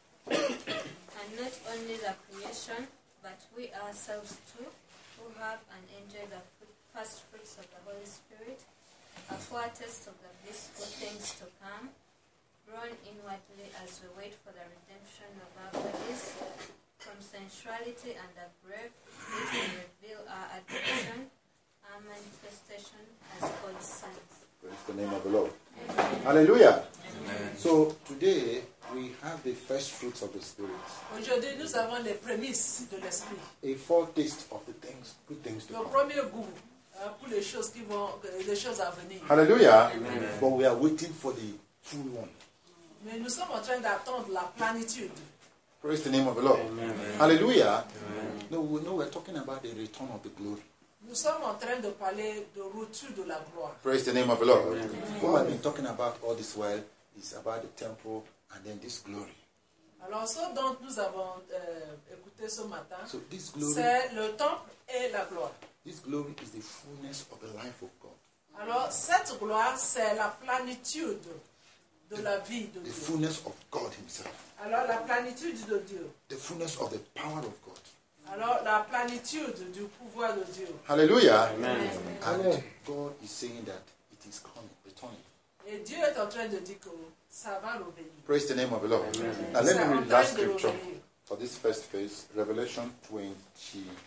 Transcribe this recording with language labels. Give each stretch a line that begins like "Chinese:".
English: And not only the creation, but we ourselves too, who have and enjoy the first fruits of the Holy Spirit, a foretaste of the blissful things to come, grown inwardly as we wait for the redemption of our bodies, from sensuality and the breath, which will reveal our adoption, our manifestation as God's sons. Praise the name of the Lord. Hallelujah. Amen. So today we have the first fruits of the Spirit.
French: Aujourd'hui nous avons les prémices de l'esprit.
English: A foretaste of the things, good things to come.
French: Le premier goût pour les choses qui vont, les choses à venir.
English: Hallelujah. Amen. But we are waiting for the full one.
French: Mais nous sommes en train d'attendre la plénitude.
English: Praise the name of the Lord. Amen. Hallelujah. Amen. No, we're talking about the return of the glory.
French: Nous sommes en train de parler de retour de la gloire.
English: Praise the name of the Lord. Amen. What I've been talking about all this while is about the temple and then this glory.
French: Alors ce dont nous avons écouté ce matin,
English: so this glory,
French: c'est le temple et la gloire.
English: This glory is the fullness of the life of God.
French: Alors, cette gloire, c'est la plénitude de la vie de Dieu.
English: The fullness of God himself.
French: Alors, la plénitude de Dieu.
English: The fullness of the power of God.
French: Alors, la plénitude du pouvoir de Dieu.
English: Hallelujah. Amen. And God is saying that it is coming, returning.
French: Et Dieu est en train de dire que ça va revenir.
English: Praise the name of the Lord. Amen. Now, let me read that scripture for this first phase, Revelation 22.